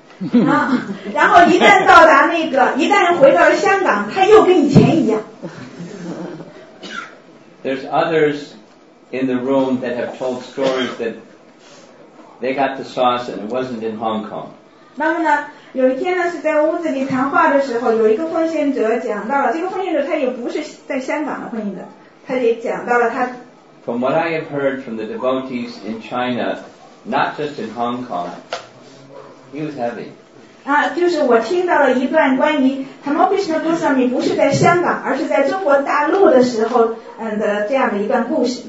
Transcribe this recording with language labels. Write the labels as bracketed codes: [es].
[zh] 然后一旦到达那个，一旦回到了香港，他又跟以前一样。 [en] There's others in the room that have told stories that they got the sauce and it wasn't in Hong Kong. [zh] 那么呢，有一天呢，是在屋子里谈话的时候，有一个奉献者讲到了，这个奉献者他也不是在香港的奉献者，他也讲到了他。 [en] From what I have heard from the devotees in China, not just in Hong Kong. He was heavy. [zh] 就是我听到了一段关于 Tamakrishna Goswami 不是在香港，而是在中国大陆的时候，的这样的一段故事。